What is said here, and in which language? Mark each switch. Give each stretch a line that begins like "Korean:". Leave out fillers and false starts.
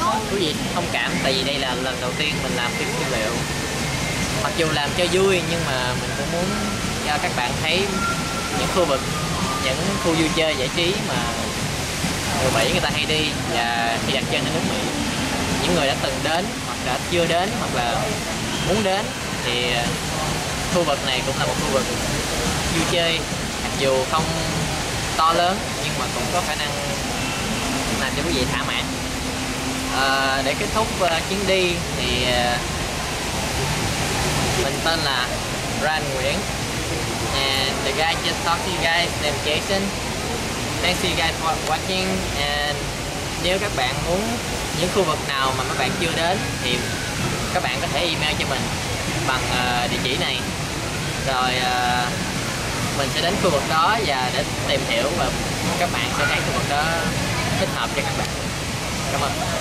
Vietnamese: Quý vị thông cảm, tại vì đây là lần đầu tiên mình làm phim tư liệu, mặc dù làm cho vui nhưng mà mình cũng muốn cho các bạn thấy những khu vực, những khu vui chơi giải trí mà người Mỹ người ta hay đi và khi đặt chân ở nước Mỹ, những người đã từng đến hoặc đã chưa đến hoặc là muốn đến thì khu vực này cũng là một khu vực vui chơi, mặc dù không to lớn nhưng mà cũng có khả năng làm cho quý vị thỏa mãn. Để kết thúc chuyến đi thì mình tên là Ryan Nguyễn.
English: And the guy just talked to you guys named Jason. Thanks to you guys for watching.
Vietnamese: And nếu các bạn muốn những khu vực nào mà các bạn chưa đến thì các bạn có thể email cho mình bằng địa chỉ này. Rồi mình sẽ đến khu vực đó và để tìm hiểu và các bạn sẽ thấy khu vực đó thích hợp cho các bạn. Cảm ơn.